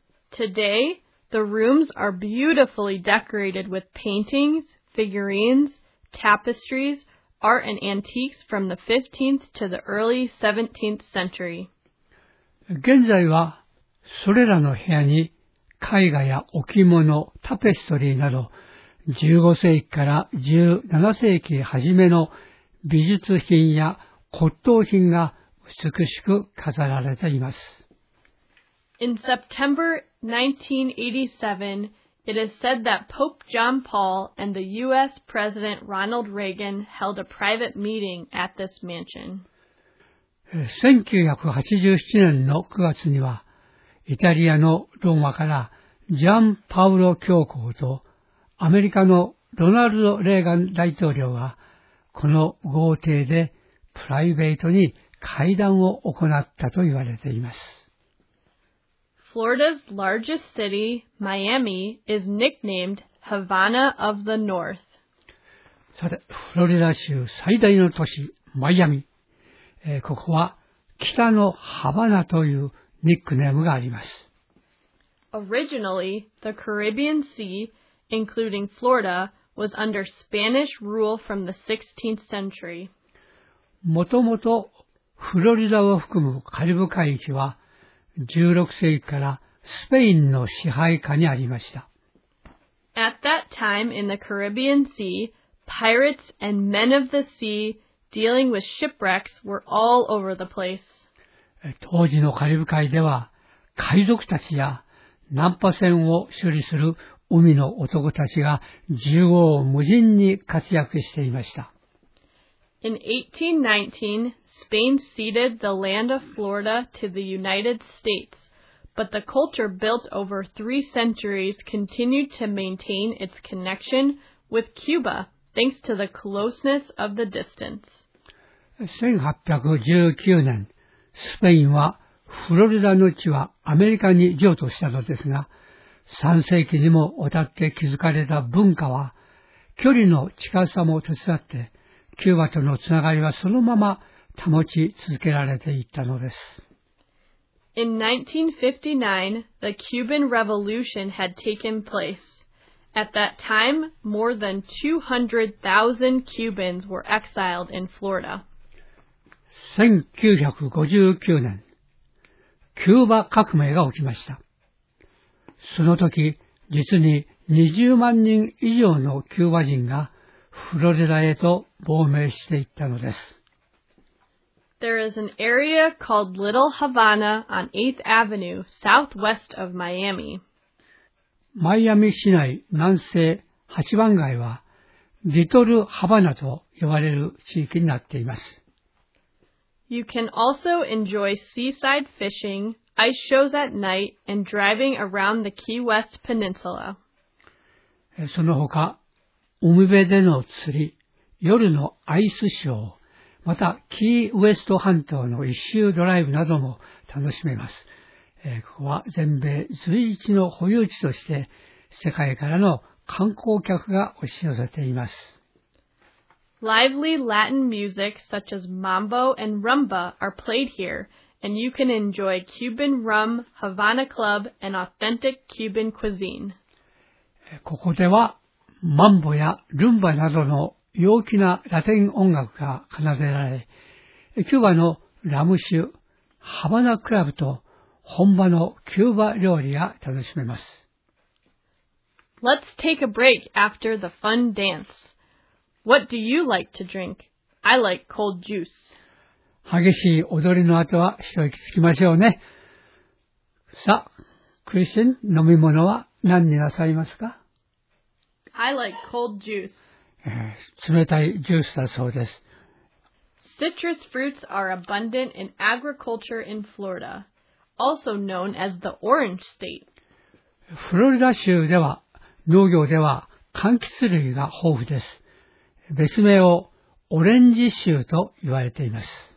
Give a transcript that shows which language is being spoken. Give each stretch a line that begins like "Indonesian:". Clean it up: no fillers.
English: Today, the rooms are beautifully decorated with paintings, figurines, tapestries, art and antiques from the 15th to the early 17th century.
Japanese: 現在はそれらの部屋に絵画や置物、タペストリーなど15世紀から17世紀初めの美術品や骨董品が美しく飾られています。
English: In September 1987, it is said that Pope John Paul and the U.S. President Ronald Reagan held a private meeting at this mansion.
Japanese: 1987年の9月には、イタリアのローマからジャン・パウロ教皇とアメリカのロナルド・レーガン大統領がこの豪邸でプライベートに会談を行ったと言われています。
English: Florida's largest city, Miami, is nicknamed Havana of the North.
Japanese: さて、フロリダ州最大の都市、マイアミ。ここは北のハバナというニックネームがあります。
English: Originally, the Caribbean Sea, including Florida, was under Spanish rule from the 16th century.
Japanese: もともとフロリダを含むカリブ海域は16世紀からスペインの支配下にありました。
English: At that time in the Caribbean Sea, pirates and men of the sea dealing with shipwrecks were all over the place.
Japanese: 当時のカリブ海では海賊たちや難破船を修理する海の男たちが縦横無尽に活躍していました。
English: In 1819, Spain ceded the land of Florida to the United States, but the culture built over three centuries continued to maintain its connection with Cuba, thanks to the closeness of the distance.
Japanese: 1819年、スペインはフロリダの地はアメリカに譲渡したのですが、3世紀にもわたって築かれた文化は、距離の近さも手伝って、キューバとのつながりはそのまま保ち続けられていったのです。
English: In 1959, the Cuban Revolution had taken place. At that time, more than 200,000 Cubans were exiled in Florida.
Japanese: 1959年、キューバ革命が起きました。その時、実に20万人以上のキューバ人がフロリダへと亡命していったのです。
English: There is an area called Little Havana on 8th Avenue, southwest of Miami.
Japanese: マイアミ市内南西8番街は、リトル・ハバナと呼ばれる地域になっています。
English: You can also enjoy seaside fishing, ice shows at night, and driving around the Key West Peninsula.
Japanese: その他、海辺での釣り、夜のアイスショー、またキーウエスト半島の一周ドライブなども楽しめます。ここは全米随一の保有地として世界からの観光客が押し寄せています。
English: Lively Latin music such as Mambo and Rumba are played here, and you can enjoy Cuban Rum, Havana Club, and authentic Cuban cuisine.
Japanese: ここではマンボやルンバなどの陽気なラテン音楽が奏でられ、キューバのラム酒、ハバナクラブと本場のキューバ料理が楽しめます。
English: Let's take a break after the fun dance. What do you like to drink? I like cold juice.
Japanese: 激しい踊りの後は一息つきましょうね。さあ、クリスティン、飲み物は何になさいますか？
English: I like cold juice.
Japanese: 冷たいジュースだそうです。
English: Citrus fruits are abundant in agriculture in Florida, also known as the Orange State.
Japanese: フロリダ州では農業では柑橘類が豊富です。別名をオレンジ州と言われています。